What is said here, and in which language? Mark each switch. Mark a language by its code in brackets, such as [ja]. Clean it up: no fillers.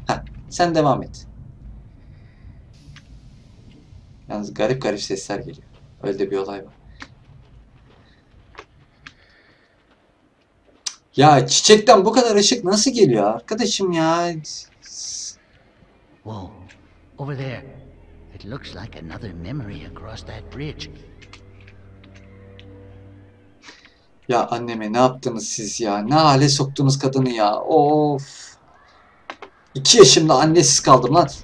[tr] Heh, sen devam et. Yalnız garip garip sesler geliyor. Öyle de bir olay var. Ya çiçekten bu kadar ışık nasıl geliyor arkadaşım ya? [en] Whoa, over there. It looks like another memory across that bridge. [tr] Ya anneme ne yaptınız siz ya? Ne hale soktunuz kadını ya? Of. 2 yaşımda annesiz kaldım lan.